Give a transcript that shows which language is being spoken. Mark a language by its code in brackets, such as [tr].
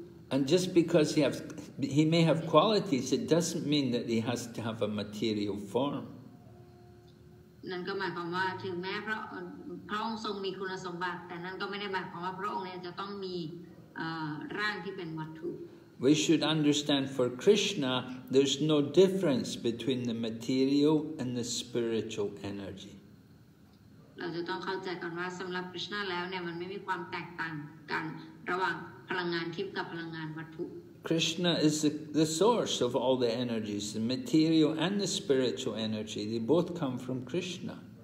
[en] And just because he may have qualities, it doesn't mean that he has to have a material form. [th] นั่นก็หมายความว่าถึงแม้พระองค์ทรงมีคุณสมบัติแต่นั่นก็ไม่ได้หมายความว่าพระองค์จะต้องมีร่างที่เป็นวัตถุ [en] We should understand for Krishna there's no difference between the material and the spiritual energy [th] เราจะต้องเข้าใจกันว่าสำหรับคริสนาแล้วเนี่ยมันไม่มีความแตกต่างกันระหว่างพลังงานทิพย์กับพลังงานวัตถุ [en] Krishna is the source of all the energies, the material and the spiritual energy. They both come from Krishna.